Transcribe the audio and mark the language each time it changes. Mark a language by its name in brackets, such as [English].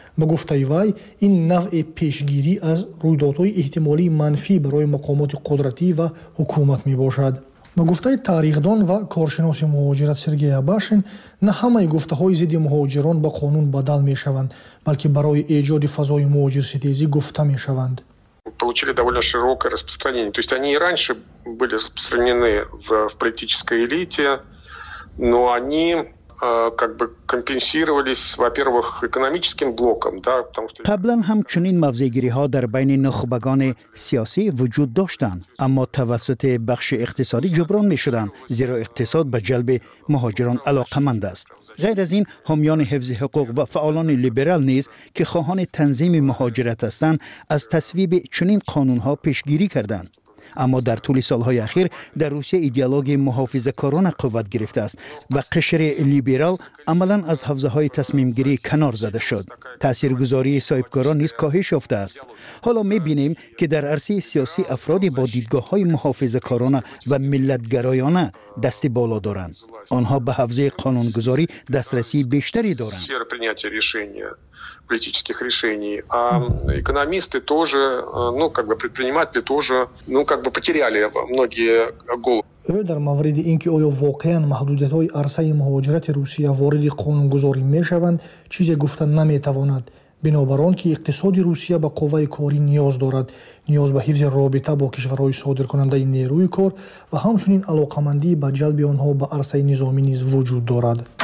[Persian] به گفته وی، این نوع پیشگیری از رویدادهای احتمالی منفی برای مقامات قدرتی و حکومت می‌باشد. به گفته تاریخ‌دان و کارشناس مهاجرت سرگی آباشین، نه همه گفته‌های ضد مهاجران به قانون بدل می‌شوند، بلکه برای ایجاد فضای مهاجرستیزی گفته می‌شوند. [Russian] получили довольно широкое распространение. То есть они и раньше были распространены в политической элите, но они как бы компенсировались, во-первых, экономическим блоком, да, потому что [Persian] قبلاً همچنین موضع‌گیری‌ها در بین نخبگان سیاسی وجود داشتند، اما توسط بخش اقتصادی جبران می‌شدند، زیرا اقتصاد به جلب مهاجران علاقه‌مند است. غیر از این، حامیان حفظ حقوق و فعالان لیبرال نیز که خواهان تنظیم مهاجرت هستند، از تصویب چنین قانون‌ها پیشگیری کردند. اما در طول سالهای اخیر در روسیه ایدئولوژی محافظه‌کارانه قوت گرفته است و قشر لیبرال عملا از حوزه های تصمیم گیری کنار زده شد. تاثیرگذاری صاحبکاران نیز کاهش یافته است. حالا می‌بینیم که در عرصه سیاسی افرادی با دیدگاه های محافظه‌کارانه و ملت‌گرایانه دست بالا دارند. آنها به حوزه قانونگذاری دسترسی بیشتری دارند. [Russian] политических решений, а экономисты тоже, ну, как бы предприниматели тоже, ну, как бы потеряли многие головы. [Tajik] Дар мавриди инки оё воқеан маҳдудиятҳои арсаи муҳоҷирати Русия вориди қонунгузорӣ мешаванд, чизе гуфта наметавонад. Бинобар он ки иқтисоди Русия ба қувваи корӣ ниёз дорад, ниёз ба ҳифзи робита бо кишварҳои содиркунандаи нерӯи кор ва ҳамчунин алоқамандӣ ба ҷалби онҳо ба арсаи низомӣ низ вуҷуд дорад.